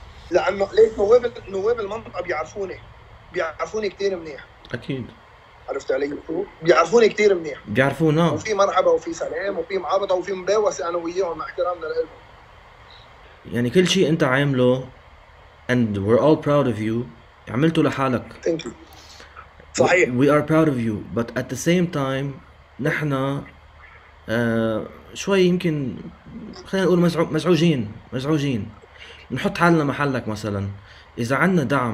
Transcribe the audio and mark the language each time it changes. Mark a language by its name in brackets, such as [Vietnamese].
[Arabic] لأنه ليش نواب المنطقة بيعرفوني كثير منيح. أكيد. عرفت علي؟ بيعرفوني كتير منيح، بيعرفونا، وفي مرحبا وفي سلام وفي معابطة وفي مباوسة أنا وياهم مع احترامنا لإلهم. يعني كل شيء أنت عامله [English] and we're all proud of you [Arabic] عملته لحالك. [English] Thank you. [Arabic] صحيح. [English] We are proud of you but at the same time [Arabic] نحن شوي يمكن خلينا نقول مزعوجين. نحط حالنا محلك مثلا، إذا عنا دعم.